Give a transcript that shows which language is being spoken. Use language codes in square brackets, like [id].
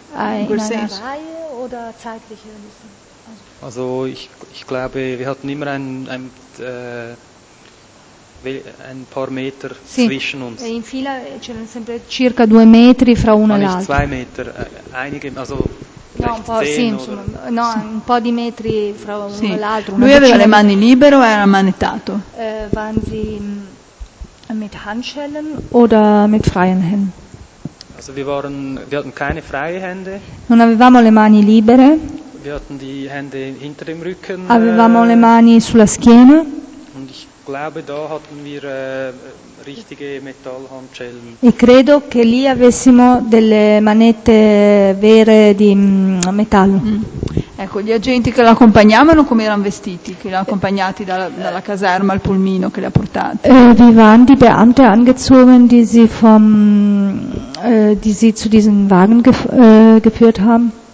[it] in quel senso. [de] In einer Reihe oder zeitlich? Also ich glaube, wir hatten immer ein paar Meter, [it] sì, [de] zwischen uns. [it] E in fila c'erano sempre circa due metri fra uno e l'altro. [de] Zwei Meter, einige, also [it] no, un po', sì, insomma, no, sì, un po' di metri fra uno, sì, e l'altro. Lui aveva le mani libere o era ammanettato? [de] Waren Sie mit Handschellen oder mit freien Händen? Also wir hatten keine freie Hände. [it] Non avevamo le mani libere. [de] Wir hatten die Hände hinter dem Rücken. [it] Avevamo le mani sulla schiena. [de] Und ich glaube, da hatten wir richtige Metallhandschellen. [it] E credo che lì avessimo delle manette vere di metallo. Mm. Ecco, gli agenti che l'accompagnavano come erano vestiti, che l'ha accompagnati dalla caserma al pulmino che li ha portati? [de] Wie waren die Beamte angezogen, die sie vom die sie zu diesem Wagen geführt haben?